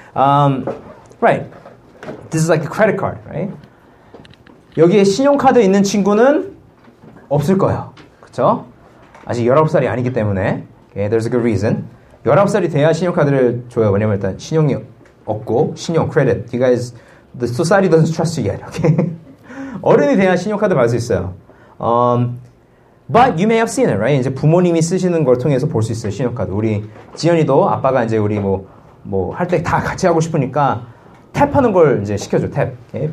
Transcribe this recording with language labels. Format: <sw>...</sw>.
<en>Right. This is like a credit card, right?</en> <ko>여기에 신용카드 있는 친구는 없을 거예요. 그쵸? 아직 19살이 아니기 때문에.</ko> <en>Okay, there's a good reason.</en> <ko>19살이 돼야 신용카드를 줘요. 왜냐면 일단 신용이 없고, 신용, credit.</ko> <en>You guys, the society doesn't trust you yet, okay?</en> <ko>어른이 돼야 신용카드 받을 수 있어요.</ko> <en>But you may have seen it, right?</en> <ko>이제 부모님이 쓰시는 걸 통해서 볼 수 있어요, 신용카드. 우리 지연이도 아빠가 이제 우리 뭐 할 때 다 같이 하고 싶으니까 탭하는 걸 이제 시켜줘, 탭. 오케이?</ko>